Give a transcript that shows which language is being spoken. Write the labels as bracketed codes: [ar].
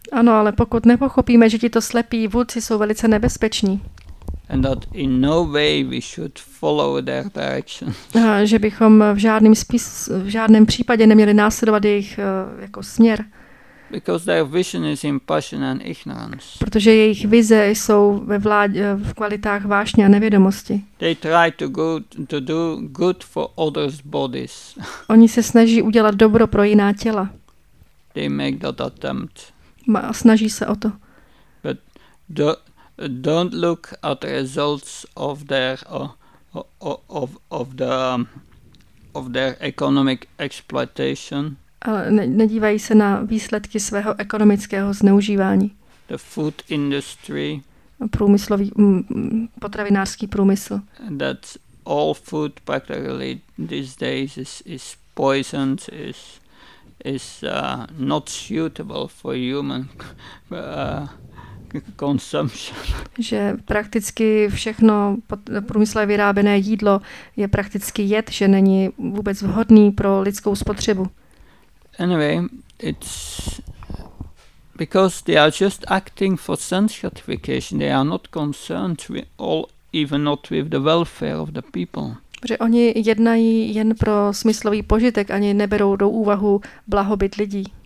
[cs] Ano, ale pokud nepochopíme, že tito slepí vůdci jsou velice nebezpeční. [en] And that in no way we should follow their direction. [cs] Že bychom v žádném případě neměli následovat jejich jako směr. [en] Because their vision is in passion and ignorance. [cs] Protože jejich vize jsou v kvalitách vášně a nevědomosti. [en] They try to do good for others' bodies. [cs] Oni se snaží udělat dobro pro jiná těla. [en] They make that attempt. [cs] Snaží se o to. [en] But don't look at the results of their economic exploitation. [cs] Ale nedívají se na výsledky svého ekonomického zneužívání. [en] The food industry. [cs] Průmyslový, potravinářský průmysl. [en] That all food practically these days is poisoned, is not suitable for human consumption. [cs] Že prakticky všechno průmyslově vyráběné jídlo je prakticky jed, že není vůbec vhodný pro lidskou spotřebu. [en] Anyway, it's because they are just acting for sense gratification. They are not concerned even not with the welfare of the people. [cs] Že oni jednají jen pro smyslový požitek, ani neberou do úvahu blahobyt lidí.